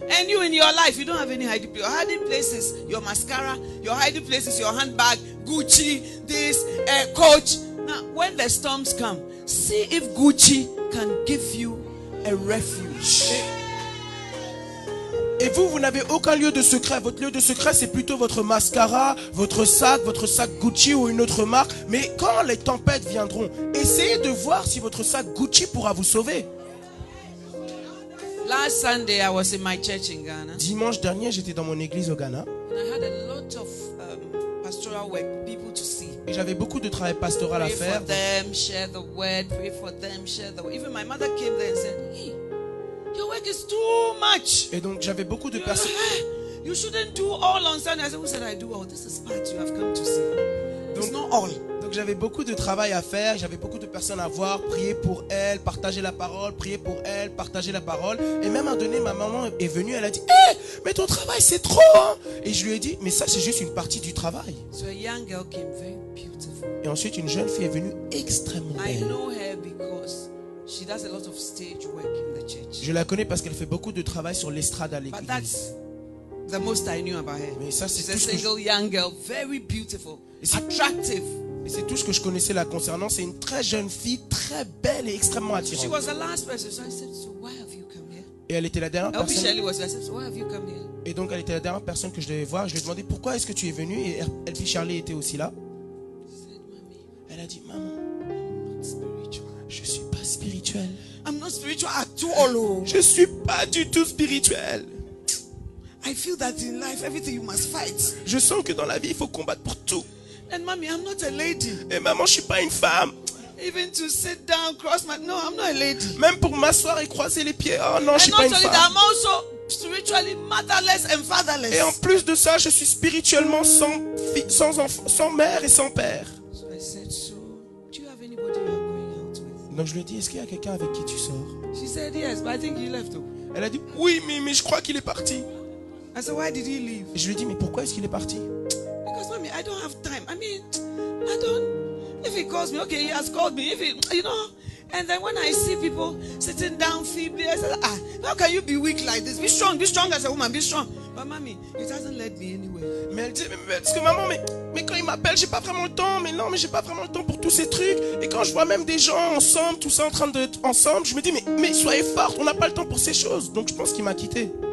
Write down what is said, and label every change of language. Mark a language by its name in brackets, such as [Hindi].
[English] And you in your life, you don't have any hiding place. Your hiding place is your mascara, your hiding place is your handbag, Gucci, this, Coach. Now, when the storms come, see if Gucci can give you a refuge. [French] Et vous n'avez aucun lieu de secret. Votre lieu de secret, c'est plutôt votre mascara, votre sac Gucci ou une autre marque. Mais quand les tempêtes viendront, essayez de voir si votre sac Gucci pourra vous sauver. [English] Last Sunday, I was in my church in Ghana. [French] Dimanche dernier, j'étais dans mon église au Ghana. [English] And I had a lot of pastoral work, people to see. [French] Et j'avais beaucoup de travail pastoral [English] pray [French] à faire. [English] For them, share the word. Pray for them, share the word. Even my mother came there and said, your work is too much. [French] Et donc j'avais beaucoup de personnes. [English] You shouldn't do all on Sunday. I said, who said I do all? This is part you have come to see. [French] Donc, [English] it's not all. [French] J'avais beaucoup de travail à faire, j'avais beaucoup de personnes à voir, prier pour elle, partager la parole, prier pour elle, partager la parole. Et même à un donné, ma maman est venue, elle a dit, hey, mais ton travail c'est trop hein? Et je lui ai dit, mais ça c'est juste une partie du travail. [English] So a young girl came very beautiful. [French] Et ensuite une jeune fille est venue extrêmement belle. [English] I know her because she does a lot of stage work in the church. [French] Je la connais parce qu'elle fait beaucoup de travail sur l'estrade à l'église. [English] But that's the most I knew about her. [French] Mais ça c'est [English] she's a single young girl, very beautiful, attractive. [French] Et c'est tout ce que je connaissais la concernant. C'est une très jeune fille, très belle et extrêmement attirante. [English] She was the last person, so I said, so why have you come here? [French] Et elle était la dernière personne. [English] Officially was there, I said, so why have you come here? [French] Et donc elle était la dernière personne que je devais voir. Je lui ai demandé pourquoi est-ce que tu es venue. Et Elfie Charlie était aussi là. Elle a dit, maman, je suis pas spirituelle. [English] I'm not spiritual at all. [French] Je suis pas du tout spirituelle. [English] I feel that in life, everything you must fight. [French] Je sens que dans la vie, il faut combattre pour tout. [English] And mommy, I'm not a lady. [French] Et maman, je suis pas une femme. [English] Even to sit down, cross my no, I'm not a lady. [French] Même pour m'asseoir et croiser les pieds, oh non, [English] and [French] je suis pas une femme. [English] That, I'm also spiritually motherless and fatherless. [French] Et en plus de ça, je suis spirituellement sans enfant, sans mère et sans père. [English] So I said, so, do you have anybody you are going out with? [French] Donc je lui ai dit, est-ce qu'il y a quelqu'un avec qui tu sors? [English] She said yes, but I think he left. [French] Elle a dit oui, mais je crois qu'il est parti. [English] I said, why did he leave? [French] Et je lui ai dit, mais pourquoi est-ce qu'il est parti? [English] I don't have time. I mean, I don't. If he calls me, okay, he has called me. If he, you know, and then when I see people sitting down feebly, I say, ah, how can you be weak like this? Be strong as a woman. Be strong. But mommy, it hasn't led me anywhere. [French] Mais elle dit, mais parce que maman, mais quand il m'appelle, j'ai pas vraiment le temps. Mais non, mais j'ai pas vraiment le temps pour tous ces trucs. Et quand je vois même des gens ensemble, tout ça en train d'être ensemble, je me dis, mais soyez forte. On n'a pas le temps pour ces choses. Donc je pense qu'il m'a quitté.